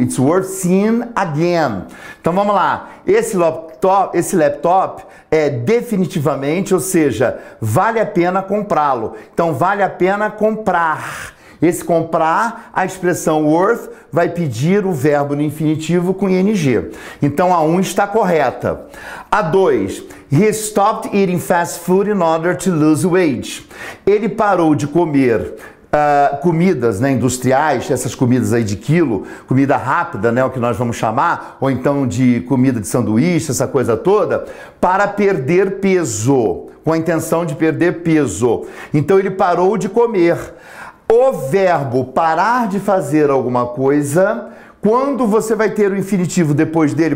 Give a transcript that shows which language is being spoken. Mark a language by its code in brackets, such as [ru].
[en] It's worth seeing again. [pt] Então vamos lá. Esse laptop é definitivamente, ou seja, vale a pena comprá-lo. Então vale a pena comprar. Esse comprar, a expressão worth vai pedir o verbo no infinitivo com ing. Então a 1 está correta. [en] A 2: he stopped eating fast food in order to lose weight. [pt] Ele parou de comer comidas, né, industriais, essas comidas aí de quilo, comida rápida, né, o que nós vamos chamar, ou então de comida de sanduíche, essa coisa toda, para perder peso, com a intenção de perder peso. Então ele parou de comer. O verbo parar de fazer alguma coisa, quando você vai ter o infinitivo depois dele?